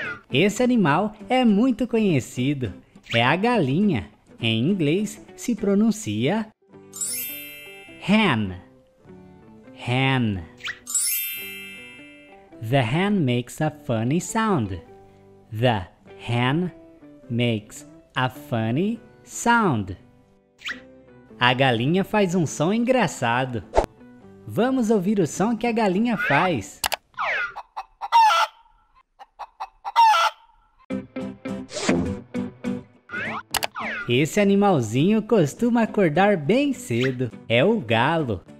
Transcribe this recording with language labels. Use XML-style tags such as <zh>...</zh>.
<pt>Esse animal é muito conhecido. É a galinha. Em inglês se pronuncia hen.</pt> <en>Hen. The hen makes a funny sound. The hen makes a funny sound.</en> <pt>A galinha faz um som engraçado. Vamos ouvir o som que a galinha faz. Esse animalzinho costuma acordar bem cedo. É o galo.</pt>